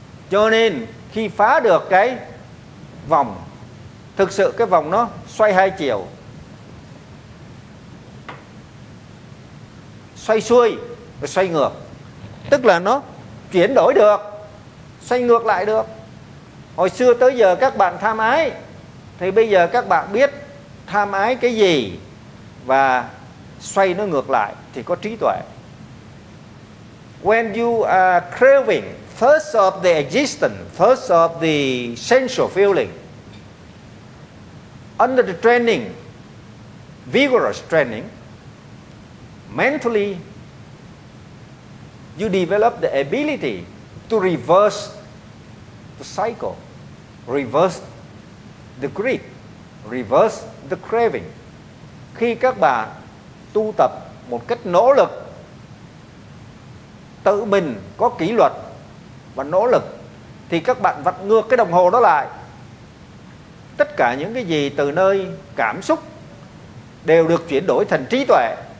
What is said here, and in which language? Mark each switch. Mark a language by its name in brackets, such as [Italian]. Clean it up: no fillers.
[Vietnamese] Cho nên khi phá được cái vòng, thực sự cái vòng nó xoay hai chiều, xoay xuôi và xoay ngược, tức là nó chuyển đổi được, xoay ngược lại được. Hồi xưa tới giờ các bạn tham ái, thì bây giờ các bạn biết tham ái cái gì và xoay nó ngược lại thì có trí tuệ. [English] When you are craving first of the existence, first of the sensual feeling, under the training, vigorous training, mentally, you develop the ability to reverse the cycle, reverse the greed, reverse the craving. [Vietnamese] Khi các bạn tu tập một cách nỗ lực, tự mình có kỷ luật và nỗ lực, thì các bạn vặn ngược cái đồng hồ đó lại. Tất cả những cái gì từ nơi cảm xúc đều được chuyển đổi thành trí tuệ.